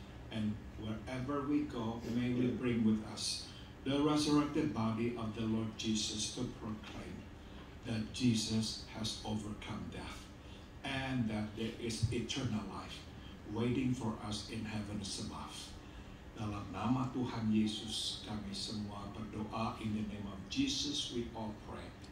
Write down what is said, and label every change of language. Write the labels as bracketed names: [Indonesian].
[English] And wherever we go, may we bring with us the resurrected body of the Lord Jesus to proclaim that Jesus has overcome death and that there is eternal life waiting for us in heaven above. [Indonesian] Dalam nama Tuhan Yesus, kami semua berdoa. [English] In the name of Jesus, we all pray.